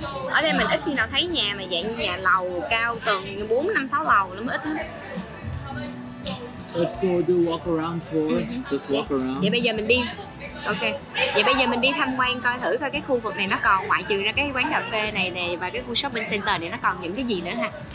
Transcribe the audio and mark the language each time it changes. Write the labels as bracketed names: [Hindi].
[Vietnamese] Ở đây mình ít khi nào thấy nhà mà dạng như nhà lầu cao tầng 4 5 6 lầu nó mới ít lắm. [English] Let's go do walk around tour. Just walk around. [Vietnamese] Vậy bây giờ mình đi. Ok. Vậy bây giờ mình đi tham quan coi thử coi cái khu vực này nó còn ngoại trừ ra cái quán cà phê này nè và cái khu shopping center này nó còn những cái gì nữa ha.